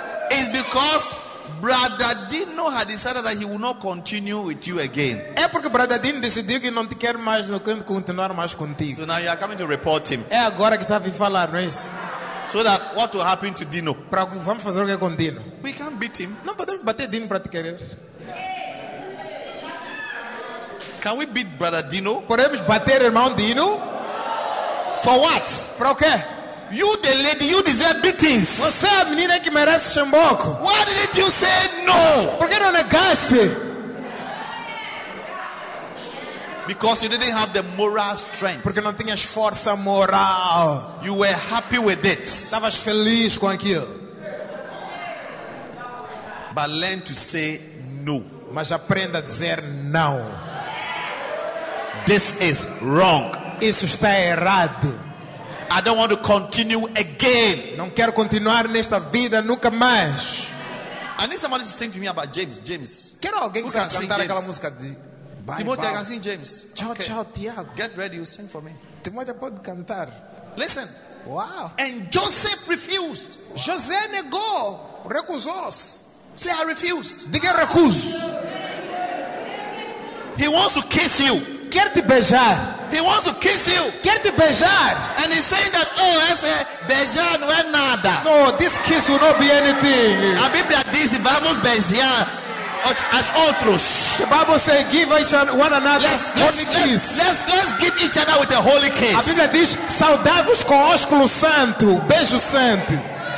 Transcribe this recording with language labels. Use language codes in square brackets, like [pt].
[en] It's because Brother Dino had decided that he will not continue with you again. [pt] É porque Brother Dino decidiu que não quer mais, não quer continuar mais contigo. [en] So now you are coming to report him. [pt] É agora que está a vir falar, não é isso? [en] So that what will happen to Dino? [pt] Para que vamos fazer o que com Dino? [en] We can't beat him. [pt] Não podemos bater Dino para te querer. [en] Can we beat Brother Dino? [pt] Podemos bater irmão Dino? [en] For what? [pt] Para o quê? [en] You, the lady, you deserve beatings. [pt] Você é a menina que merece chamboco. [en] Why didn't you say no? [pt] Por que não negaste? [en] Because you didn't have the moral strength. [pt] Porque não tinhas força moral. [en] You were happy with it. [pt] Estavas feliz com aquilo. [en] But learn to say no. [pt] Mas aprenda a dizer não. [en] This is wrong. [pt] Isso está errado. [en] I don't want to continue again. [pt] Não quero continuar nesta vida nunca mais. [en] I need somebody to sing to me about James. James. [pt] Quero alguém que saiba cantar aquela música de. [en] Timóteo, I can sing James. [pt] Tchau, okay. Tchau, Tiago. [en] Get ready, you sing for me. [pt] Timóteo pode cantar. [en] Listen. Wow. And Joseph refused. Wow. [pt] José negou. Recusou-se. [en] Say, I refused. [pt] Diga, recuso. [en] He wants to kiss you. [pt] Quer te beijar. [en] He wants to kiss you. [pt] Quer te beijar. [en] And he's saying that, oh, I say, [pt] beijar não é nada. [en] So, this kiss will not be anything. [pt] A Bíblia diz, vamos beijar. As outros. [en] The Bible says, give each one another holy kiss. Let's give each other with a holy kiss. [pt] A Bíblia diz, saudai-vos com ósculo santo, beijo santo.